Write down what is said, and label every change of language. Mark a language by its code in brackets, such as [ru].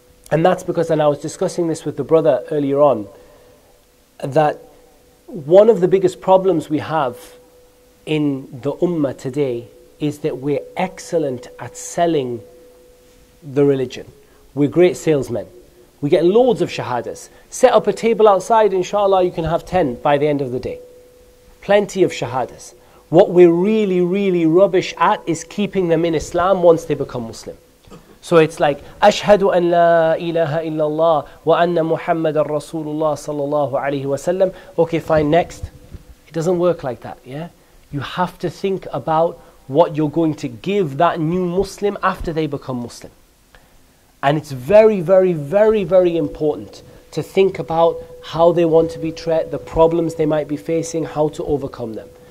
[en] And that's because, and I was discussing this with the brother earlier on, that one of the biggest problems we have in the Ummah today is that we're excellent at selling the religion. We're great salesmen. We get loads of shahadas. Set up a table outside, inshallah, you can have 10 by the end of the day. Plenty of shahadas. What we're really, really rubbish at is keeping them in Islam once they become Muslim. So it's like, [ar] أشهد أن لا إله إلا الله وأن محمد رسول الله صلى الله عليه وسلم. [en] Okay, fine, next. It doesn't work like that, yeah? You have to think about what you're going to give that new Muslim after they become Muslim. And it's very, very, very, very important to think about how they want to be treated, the problems they might be facing, how to overcome them.